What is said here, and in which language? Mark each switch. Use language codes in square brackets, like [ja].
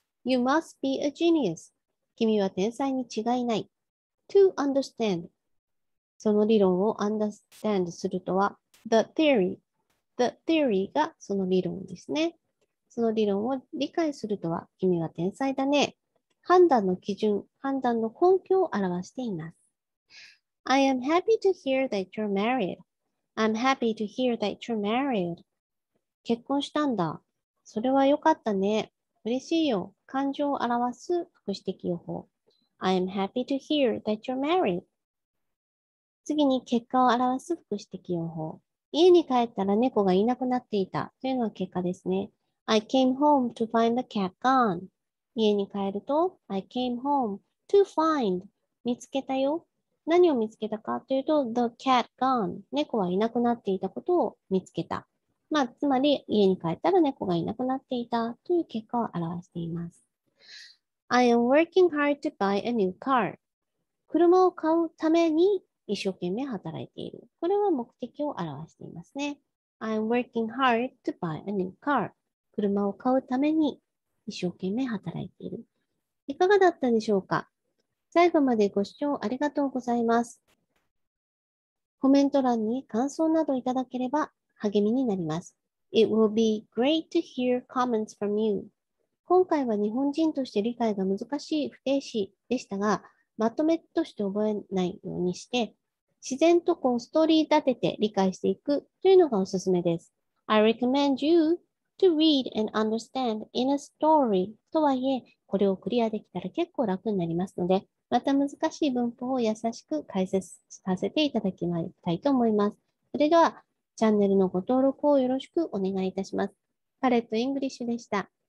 [en] You must be a genius. [ja] 君は天才に違いない。 [en] To understand. [ja] その理論を understand するとは、the theory。 The theory がその理論ですね。その理論を理解するとは、君は天才だね。判断の基準、判断の根拠を表しています。 [en] I am happy to hear that you're married. I'm happy to hear that you're married. [ja] 結婚したんだ。それは良かったね。嬉しいよ。感情を表す副詞的用法。 [en] I am happy to hear that you're married. [ja] 次に結果を表す副詞的用法。家に帰ったら猫がいなくなっていたというのが結果ですね。 [en] I came home to find the cat gone. [ja] 家に帰ると、 [en] I came home to find. [ja] 見つけたよ。何を見つけたかというと、 [en] the cat gone. [ja] 猫はいなくなっていたことを見つけた。まあ、つまり、家に帰ったら猫がいなくなっていたという結果を表しています。 [en] I am working hard to buy a new car. [ja] 車を買うために一生懸命働いている。これは目的を表していますね。 [en] I am working hard to buy a new car. [ja] 車を買うために一生懸命働いている。いかがだったでしょうか？最後までご視聴ありがとうございます。コメント欄に感想などいただければ、励みになります。 [en] It will be great to hear comments from you. [ja] 今回は日本人として理解が難しい不定詞でしたが、まとめとして覚えないようにして、自然とこうストーリー立てて理解していくというのがおすすめです。 [en] I recommend you to read and understand in a story. [ja] とはいえ、これをクリアできたら結構楽になりますので、また難しい文法を優しく解説させていただきたいと思います。それでは、チャンネルのご登録をよろしくお願いいたします。パレットイングリッシュでした。